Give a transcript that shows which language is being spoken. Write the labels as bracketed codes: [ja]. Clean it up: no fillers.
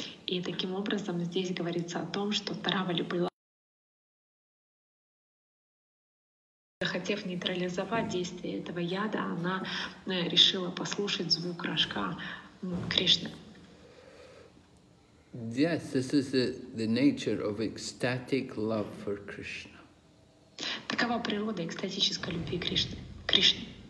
[ru] И таким образом здесь говорится о том, что Таравали была, захотев нейтрализовать действие этого яда, она решила послушать звук рожка Кришны. [en] Yes, this is the nature of ecstatic love for Krishna. [ru] Такова природа экстатической любви Кришны.